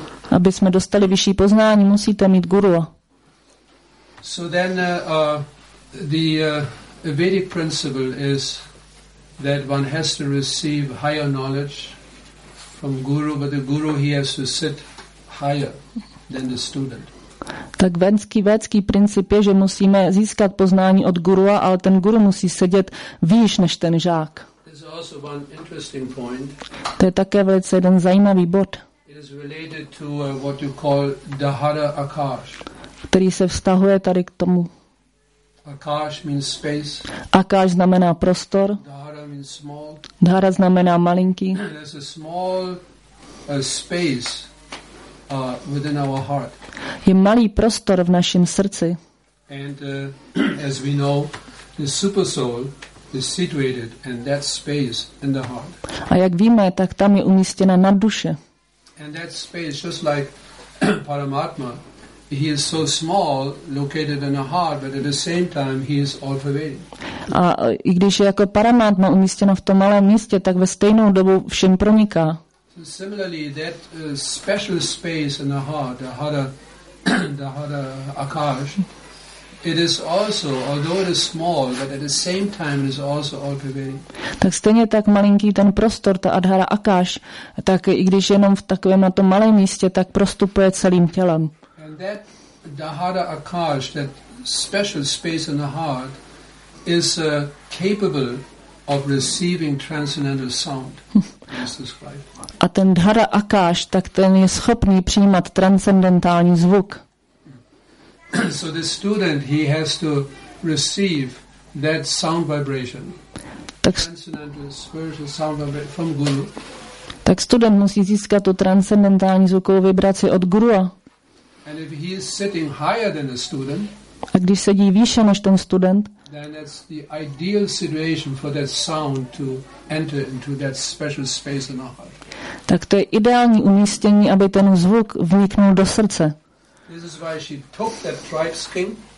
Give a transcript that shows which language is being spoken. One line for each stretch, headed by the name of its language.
Czech: Aby jsme dostali vyšší poznání, musíte mít guru.
English: So then the Vedic principle is that one has to receive higher knowledge from guru, but the guru he has to sit higher than the student.
Czech: Tak védský princip je, že musíme získat poznání od gurua, ale ten guru musí sedět výš než ten žák.
English: This is also one interesting point.
Czech: To je také velice jeden zajímavý bod.
English: It is related to what you call dahara akash.
Czech: Který se vztahuje tady k tomu.
English: Akash means space.
Czech: Akash znamená prostor.
English: Dhara means small.
Czech: Dhara znamená malinký.
English: There's a small space within our heart.
Czech: Je malý prostor v našem srdci.
English: And as we know, the super soul is situated in that space in the heart.
Czech: A jak víme, tak tam je umístěna nadduše.
English: And that space just like Paramatma. He is so small, located in a heart, but at the same time he is all pervading.
Czech: A i když je jako Paramatma umístěno v tom malém místě, tak ve stejnou dobu všem proniká.
English: So similarly, that special space in the heart, the hara akash, it is also, although it is small, but at the same time it is also all pervading.
Czech: Tak stejně tak malinký ten prostor, ta adhara akash, tak i když jenom v takovém na tom malém místě, tak prostupuje celým tělem.
English: And that dahara akash, that special space in the heart, is capable of receiving transcendental sound, as described.
Czech: A ten dahara akash, tak ten je schopný přijímat transcendentální zvuk.
English: So the student, he has to receive that sound vibration, transcendental spiritual sound vibration from guru.
Czech: Tak student musí získat tu transcendentální zvukovou vibraci od gurua.
English: And if he is sitting higher than a student,
Czech: a když sedí výše než ten student,
English: then that's the ideal situation for that sound to enter into that special space in our heart.
Czech: Tak to je ideální umístění, aby ten zvuk vniknul do srdce.
English: This is why she took that tribe's king.